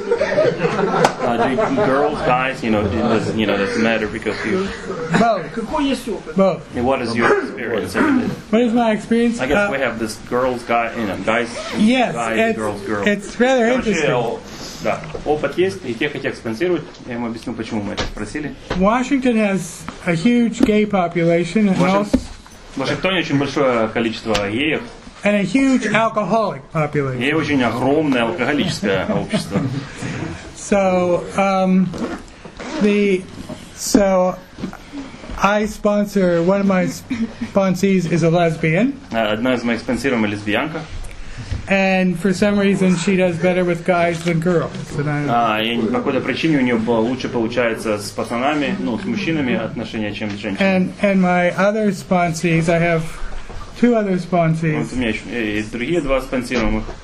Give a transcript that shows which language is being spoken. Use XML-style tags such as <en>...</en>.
<en>Do you, girls, guys, doesn't matter because you. Both. What is your experience? What is my experience? I guess we have this girls, guy, guys. Yes. Guys, girls, girls. It's rather interesting.</en> <ru>Да, опыт есть, и те хотят спонсировать. Я ему объясню, почему мы это спросили.</ru> <en>Washington has a huge gay population.</en> <ru>Вашингтоне очень большое количество геев.</ru> <en>And a huge alcoholic population.</en> <ru>Гей очень огромное алкоголическое общество.</ru> <en>So I sponsor, one of my sponsees is a lesbian.</en> <ru>Одна из моих спонсируемых лесбиянка.</ru> <en>And for some reason, she does better with guys than girls.</en> <ru>По какой-то причине у нее было лучше получается с пацанами, ну, с мужчинами отношения, чем с женщинами.</ru> <en>And my other sponsees, I have two other sponsees.</en> <ru>У меня еще и другие два спонсируемых.</ru>